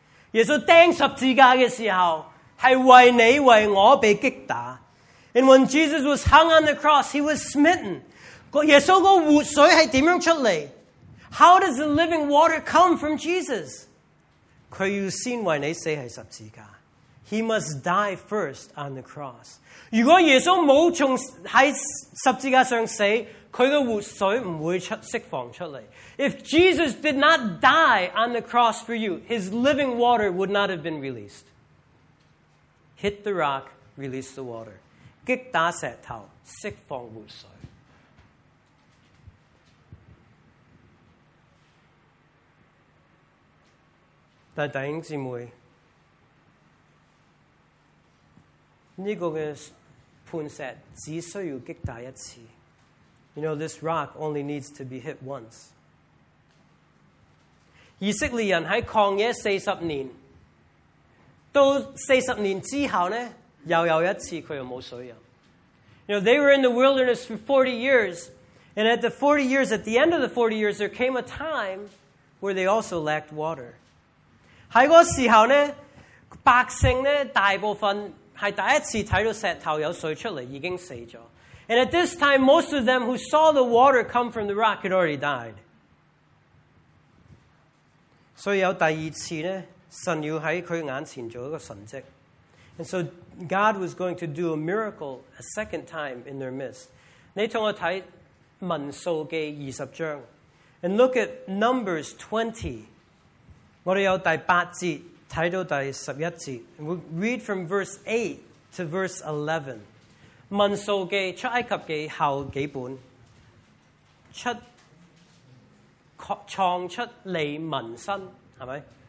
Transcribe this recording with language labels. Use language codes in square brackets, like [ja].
[zh] 耶稣钉十字架的时候，是为你为我被击打。 [en] And when Jesus was hung on the cross, he was smitten. [zh] 耶稣的活水是怎样出来？ [en] How does the living water come from Jesus? [zh] 他要先为你死在十字架。 [en] He must die first on the cross. [zh] 如果耶稣没有从在十字架上死，他的活水不会释放出来。 [en] If Jesus did not die on the cross for you, his living water would not have been released. Hit the rock, release the water. [zh] 击打石头，释放活水。但弟兄姊妹，这个的盘石只需要击打一次。 [en] You know, this rock only needs to be hit once. [zh] 以色列人在旷野四十年，到四十年之后呢，又有一次他又没水喝。 [en] You know, they were in the wilderness for 40 years, and at the 40 years, at the end of the 40 years, there came a time where they also lacked water. [zh] 在那时候呢，百姓呢，大部分是第一次看到石头有水出来，已经死了。 [en] And at this time, most of them who saw the water come from the rock had already died. [zh] 所以有第二次呢，神要在他眼前做一个神迹。 [en] And so God was going to do a miracle a second time in their midst. [zh] 你同我看民数记二十章。 [en] And look at Numbers 20. [zh] 我们有第八节看到第十一节。 [en] And we'll read from verse 8 to verse 11. [zh] 民数记出埃及记后几本，出创出利民申，系咪？